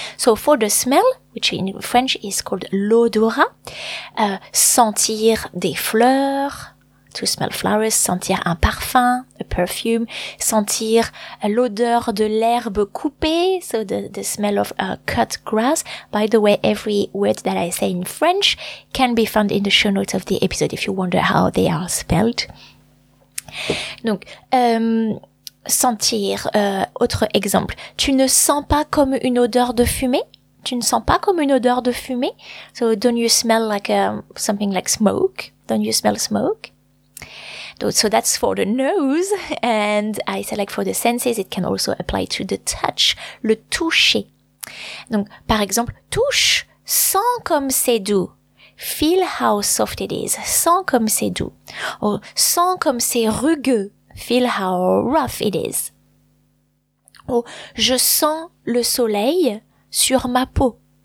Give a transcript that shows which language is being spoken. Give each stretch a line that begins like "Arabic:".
English: So for the smell, which in French is called l'odorat,
French: sentir des fleurs,
English: to smell flowers,
French: sentir un parfum,
English: a perfume,
French: sentir l'odeur de l'herbe coupée,
English: so the smell of cut grass. By the way, every word that I say in French can be found in the show notes of the episode if you wonder how they are spelled.
French: Donc, sentir, autre exemple, tu ne sens pas comme une odeur de fumée? Tu ne sens pas comme une odeur de fumée?
English: So don't you smell like something like smoke? Don't you smell smoke? So that's for the nose, and I said like for the senses, it can also apply to the touch, le toucher.
French: Donc, par exemple, touche, sens comme c'est doux.
English: Feel how soft it is.
French: Sens comme c'est doux. Or, sens comme c'est rugueux.
English: Feel how rough it is.
French: Or, je sens le soleil sur ma peau.